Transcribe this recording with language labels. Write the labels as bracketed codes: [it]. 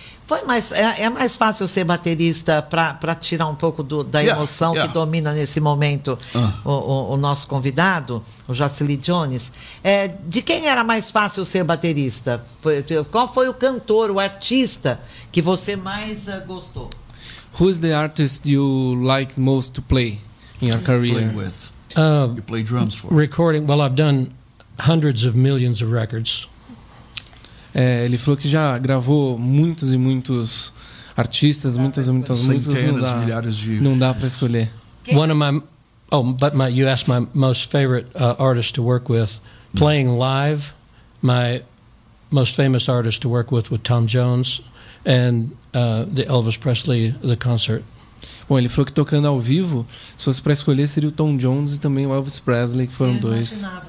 [pt] Foi mais, é mais fácil ser baterista para tirar um pouco da emoção que domina nesse momento o nosso convidado, o Jacili Jones. É, de quem era mais fácil ser baterista? Qual foi o cantor, o artista que você mais gostou? [en] Who's the artist you like most to play in your career? Play with. You play drums for. Recording. Well, I've done hundreds of millions of records. [pt] É, ele falou que já gravou muitos e muitos artistas, muitas e muitas músicas. Não dá para escolher. [en] One of my, you asked my most favorite artist to work with, playing live. My most famous artist to work with Tom Jones and the Elvis Presley the concert. [pt] Bom, ele falou que tocando ao vivo, se fosse para escolher, seria o Tom Jones e também o Elvis Presley, que foram dois.